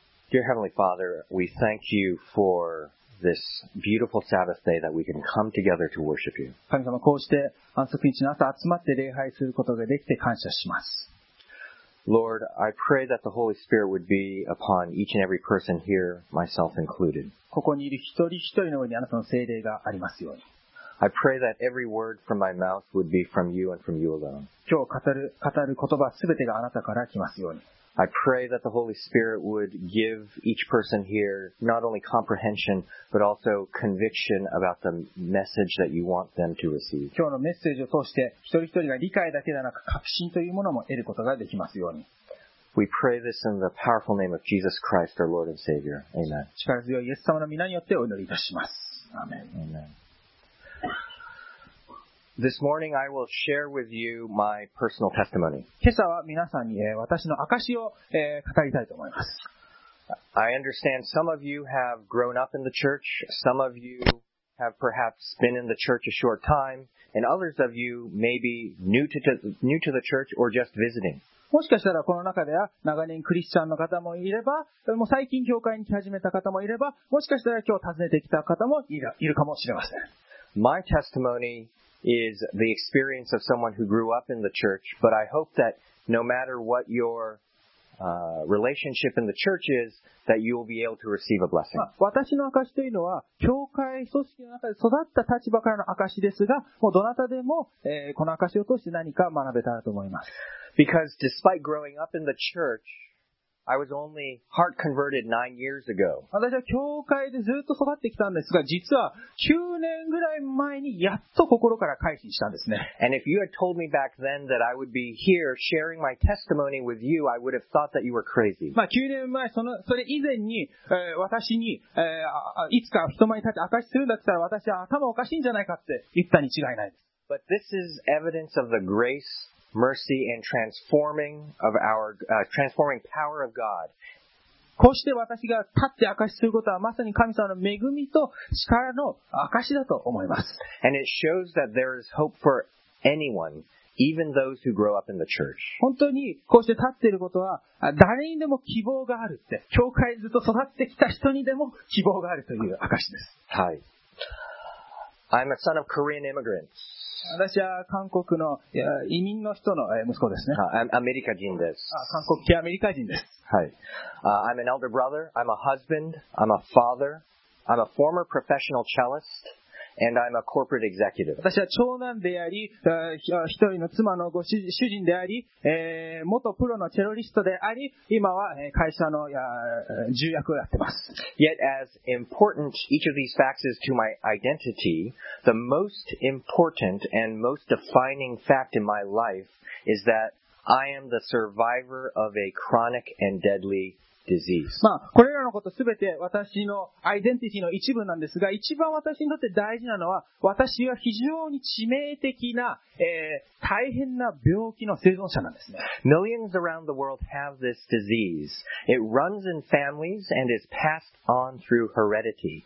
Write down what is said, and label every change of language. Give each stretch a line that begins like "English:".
English: Dear Heavenly Father, we thank you for this beautiful Sabbath day that we can come together to worship you.
Japanese: 神様、こうして安息日の朝集まって礼拝することができて感謝します。
English: Lord, I pray that the Holy Spirit would be upon each and every person here, myself included.
Japanese: ここにいる一人一人の上にあなたの聖霊がありますように。
English: I pray that every word from my mouth would be from you and from you alone.
Japanese: 今日語る言葉すべてがあなたから来ますように。
English: I pray that the Holy Spirit would give each person here not only comprehension, but also conviction about the message that you want them to receive.
Japanese: 今日のメッセージを通して一人一人が理解だけではなく確信というものも得ることができますように。
English: We pray this in the powerful name of Jesus Christ, our Lord and Savior. Amen.
Japanese: 力強いイエス様の皆によってお祈りいたします。アーメン。
English: Amen. This morning I will share with you my personal testimony.
Japanese: 今朝は皆さんに私の証を語りたいと思います。
English: I understand some of you have grown up in the church, some of you have perhaps been in the church a short time, and others of you may be new to the church or just visiting.
Japanese: もしかしたらこの中では長年クリスチャンの方もいれば、もう最近教会に来始めた方もいれば、もしかしたら今日訪ねてきた方もいるかもしれません。
English: My testimonyis the experience of someone who grew up in the church, but I hope that no matter what your relationship in the church is, that you will be able to receive a blessing.
Japanese: 私の証というのは教会組織の中で育った立場からの証ですが、もうどなたでも、この証を通して何か学べたらと思います。
English: Because despite growing up in the church, I was only heart converted 9 years ago.
Japanese: 私は教会でずっと育ってきたんですが、実は9年ぐらい前にやっと心から改心したんですね。
English: And if you had told me back then that I would be here sharing my testimony with you, I would have thought that you were crazy.
Japanese: まあ9年前、それ以前に、私に、いつか人前に立って証しするんだったら私は頭おかしいんじゃないかって言ったに違いないです。
English: But this is evidence of the grace, mercy, and transforming power of God.
Japanese: こうして私が立って証しすることはまさに神様の恵みと力の証しだと思います。
English: And it shows that there is hope for anyone, even those who grow up in the church.
Japanese: 本当にこうして立っていることは誰にでも希望があるって、教会ずっと育ってきた人にでも希望があるという証しです。はい。
English: I'm a son of Korean immigrants.
Japanese: 私は韓国の移民の人の息子ですね。アメリカ人です。韓国系アメリカ人です。
English: はい。I'm an elder brother. I'm a husband. I'm a father. I'm a former professional cellist. And I'm a corporate executive.
Japanese: 私は長男であり、一人の妻のご主人であり、元プロのテロリストであり、今は会社の重役をやってます。
English: Yet as important each of these facts is to my identity, the most important and most defining fact in my life is that I am the survivor of a chronic and deadly disease.
Japanese: まあ、これらのことすべて私のアイデンティティの一部なんですが、一番私にとって大事なのは、私は非常に致命的な、大変な病気の生存者なんですね。
English: Millions around the world have this disease. It runs in families and is passed on through heredity.